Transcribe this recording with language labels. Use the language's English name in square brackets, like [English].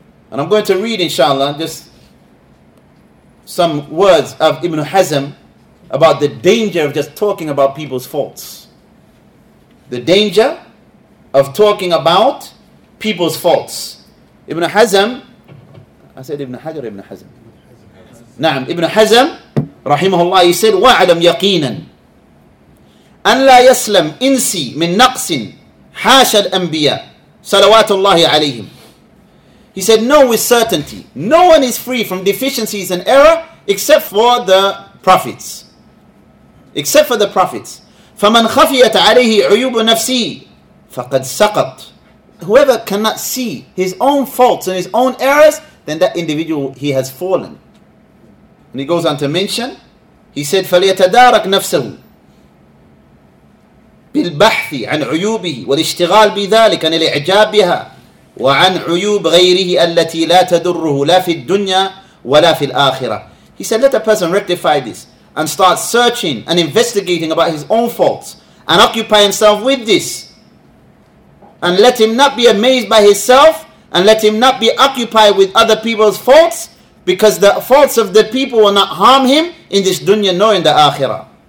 [English] And I'm going to read, inshallah, just some words of Ibn Hazm about the danger of just talking about people's faults. The danger of talking about people's faults. Ibn Hazm, I said Ibn Hajar, Ibn Hazm. Na'am, Ibn Hazm, rahimahullah, he said, [Arabic] وَعَلَمْ يَقِينًا أَنْ لَا يَسْلَمْ إِنْسِي مِنْ نَقْسٍ حَاشَ الْأَنْبِيَا صَلَوَاتُ اللَّهِ عَلَيْهِمْ. [English] He said, know with certainty, no one is free from deficiencies and error except for the prophets. Except for the prophets. [Arabic] فَمَنْ خَفِيَتْ عَلَيْهِ عُيُوبُ نَفْسِهِ فَقَدْ سَقَطْ. [English] Whoever cannot see his own faults and his own errors, then that individual, he has fallen. And he goes on to mention, he said, [Arabic] فَلْيَتَدَارَكْ نَفْسَهُ بِالْبَحْثِ عَنْ عُيُوبِهِ وَالِاشْتِغَالِ بِذَلِكَ عَنِ الْإِعْجَابِ بِهَا وَعَنْ عُيُوبِ غَيْرِهِ أَلَّتِي لَا تَدُرُّهُ لَا فِي الدُّنْيَا وَلَا فِي الْآخِرَةِ. [English] He said, let a person rectify this and start searching and investigating about his own faults and occupy himself with this. And let him not be amazed by himself and let him not be occupied with other people's faults, because the faults of the people will not harm him in this dunya nor in the akhirah.